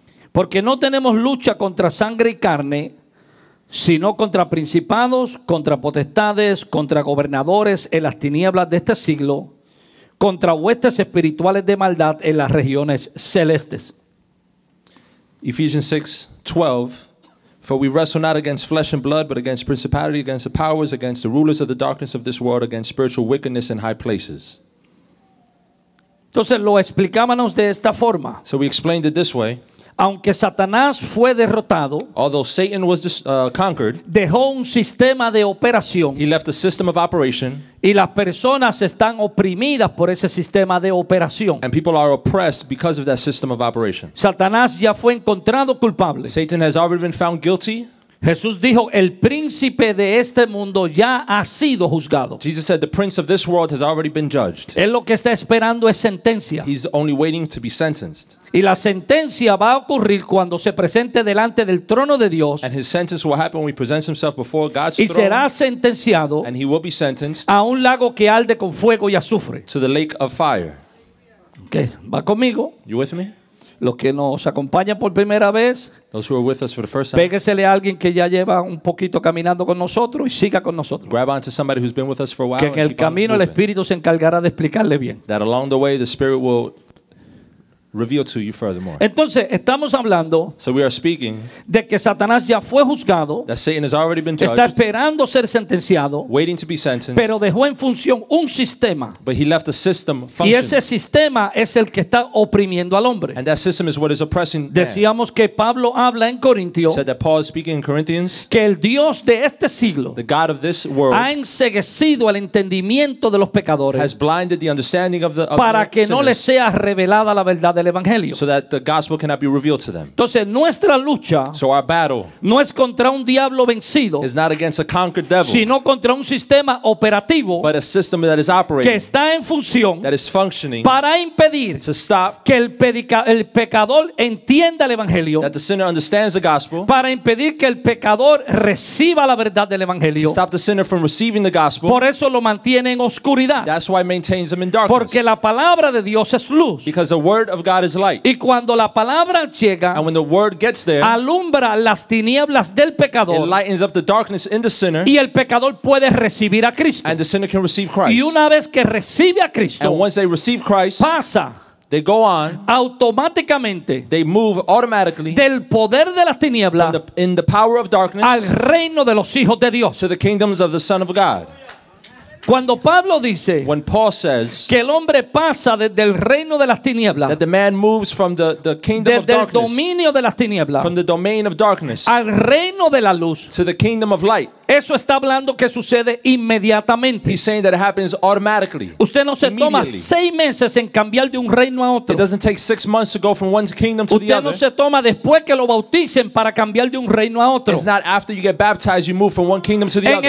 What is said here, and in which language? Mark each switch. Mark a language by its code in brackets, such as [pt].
[es] Porque no tenemos lucha contra sangre y carne, sino contra principados, contra potestades, contra gobernadores en las tinieblas de este siglo, contra huestes espirituales de maldad en las regiones celestes. [en] Ephesians 6:12. For we wrestle not against flesh and blood, but against principality, against the powers, against the rulers of the darkness of this world, against spiritual wickedness in high places. [es] Entonces lo explicábamos de esta forma. [en] So we explained it this way. [es] Aunque Satanás fue derrotado, [en] although Satan was conquered, [es] dejó un sistema de operación. [en] He left a system of operation. [es] Y las personas están oprimidas por ese sistema de operación. [en] And people are oppressed because of that system of operation. [es] Satanás ya fue encontrado culpable. [en] Satan has already been found guilty. [es] Jesús dijo, el príncipe de este mundo ya ha sido juzgado. [en] Jesus said, the prince of this world has already been judged. [es] Él lo que está esperando es sentencia. [en] He's only waiting to be sentenced. [es] Y la sentencia va a ocurrir cuando se presente delante del trono de Dios. [en] And his sentence will happen when he presents himself before God's throne. [es] Y será sentenciado. [en] And he will be sentenced. [es] A un lago que arde con fuego y azufre. [en] To the lake of fire. [es] Okay, va conmigo. [en] You with me? [es] Los que nos acompañan por primera vez, péguesele a alguien que ya lleva un poquito caminando con nosotros y siga con nosotros. [en] Grab onto somebody who's been with us for a while. [es] Que en el camino el Espíritu se encargará de explicarle bien. [en] That along the way the Spirit will reveal to you furthermore. [es] Entonces estamos hablando, [en] so we are speaking, [es] de que Satanás ya fue juzgado, [en] that Satan has already been judged, [es] está esperando ser sentenciado, [en] waiting to be sentenced, [es] pero dejó en función un sistema, [en] but he left a system functioning, [es] y ese sistema es el que está oprimiendo al hombre. [en] And that system is what is oppressing man. [es] Decíamos que Pablo habla en Corintios, [en] said that Paul is speaking in Corinthians, [es] que el Dios de este siglo, [en] the God of this world, [es] ha enceguecido el entendimiento de los pecadores, [en] has blinded the understanding of the sinners, [es] para que no les sea revelada la verdad del evangelio. [en] So that the gospel cannot be revealed to them. [es] Entonces nuestra lucha, [en] so our battle, [es] no es contra un diablo vencido, [en] is not against a conquered devil, [es] sino contra un sistema operativo, [en] but a system that is operating, [es] que está en función, [en] that is functioning, [es] para impedir, [en] to stop, [es] que el pecador entienda el evangelio, [en] that the sinner understands the gospel, [es] para impedir que el pecador reciba la verdad del evangelio, [en] to stop the sinner from receiving the gospel. [es] Por eso lo mantiene en oscuridad. [en] That's why it maintains them in darkness. [es] Porque la palabra de Dios es luz. [en] Because the word of God is light. [es] Y cuando la palabra llega, [en] and when the word gets there, [es] alumbra las tinieblas del pecador, [en] it lightens up the darkness in the sinner, [es] y el pecador puede recibir a Cristo, [en] and the sinner can receive Christ. [es] Y una vez que recibe a Cristo, [en] and once they receive Christ, [es] pasa, [en] they go on, [es] automáticamente, [en] they move automatically, [es] del poder de las tinieblas, [en] in the power of darkness, [es] al reino de los hijos de Dios, [en] to the kingdoms of the Son of God. [es] Cuando Pablo dice, [en] when Paul says, [es] que el hombre pasa desde el reino de las tinieblas, [en] that the man moves from the kingdom [es] desde [en] of darkness, [es] el dominio de las tinieblas, [en] from the domain of darkness, [es] al reino de la luz, [en] to the kingdom of light. [es] Eso está hablando que sucede inmediatamente. [en] He's saying that it happens automatically. [es] Usted no se toma 6 meses en cambiar de un reino a otro. [en] It doesn't take 6 months to go from one kingdom to the other. [es] Usted no se toma después que lo bauticen para cambiar de un reino a otro. [en] It's not after you get baptized you move from one kingdom to the other.